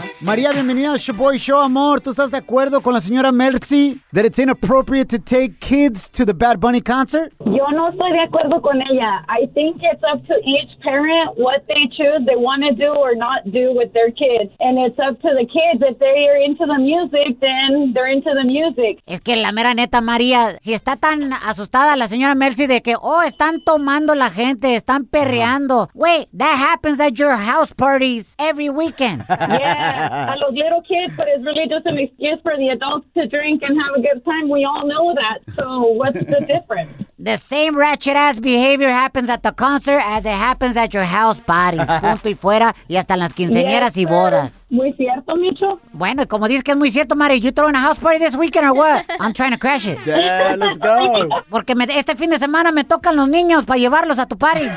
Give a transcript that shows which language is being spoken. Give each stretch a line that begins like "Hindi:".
Spanish: María, bienvenida a Shaboy Show, amor. ¿Tú estás de acuerdo con la señora Mercy
English: that it's inappropriate to take kids to the Bad Bunny concert?
Spanish: Yo no estoy de acuerdo con ella.
English: I think it's up to each parent what they choose they want to do or not do with their kids. And it's up to the kids. If they are into the music, then they're into the music.
Spanish: Es que la mera neta, María, si está tan asustada la señora Mercy de que, están tomando la gente, están perreando.
English: Wait, that happens at your house parties every weekend. Yeah,
Spanish: a los
English: little kids, but it's really just an excuse for the adults to drink and have a good time. We all know that. So what's the difference? The same ratchet ass behavior happens at the concert as it happens at your house parties.
Spanish: Punto y fuera, y hasta en las quinceañeras y bodas. Muy cierto, Micho. Bueno, como dices que es muy cierto,
English: Mari, you throwing a house party this weekend or what? I'm trying to crash it. Yeah, let's go.
Spanish: Porque este fin de semana me tocan los niños para llevarlos a tu party.